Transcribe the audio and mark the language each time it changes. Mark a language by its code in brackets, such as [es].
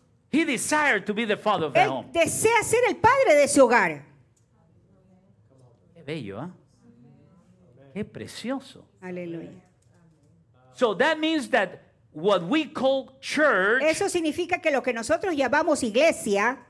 [en] He desired to be the father of that home. [es] Él desea ser el padre de ese hogar. Qué bello, ¿eh? Qué precioso. Aleluya. [en] So that means that what we call church. [es] Eso significa que lo que nosotros llamamos iglesia.